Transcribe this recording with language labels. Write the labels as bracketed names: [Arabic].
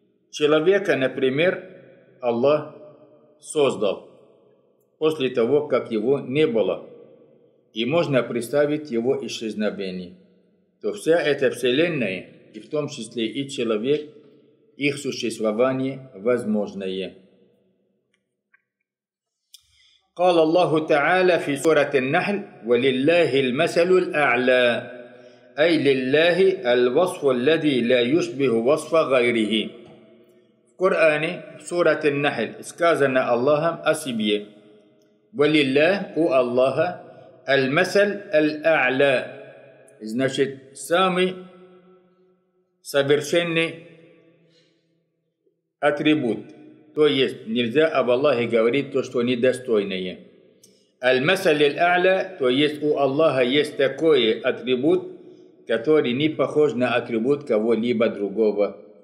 [Russian] Человека, например, Аллах создал после того, как его не было. И можно представить его исчезновение. То вся эта Вселенная, и в том числе и человек, их существование возможное. [Arabic] قال الله تعالى في سورة النحل ولله المثل الأعلى أي لله الوصف الذي لا يشبه وصف غيره. [Russian] В Коране, в سورة النحل, сказано Аллахом о себе. [Arabic] ولله, [Russian] у Аллаха, [Arabic] المثل الأعلى. [Russian] Значит, самый совершенный атрибут. То есть, нельзя об Аллахе говорить то, что недостойное. [Arabic] Аль-масаль аль-а'ля, [Russian] то есть, у Аллаха есть такой атрибут, который не похож на атрибут кого-либо другого.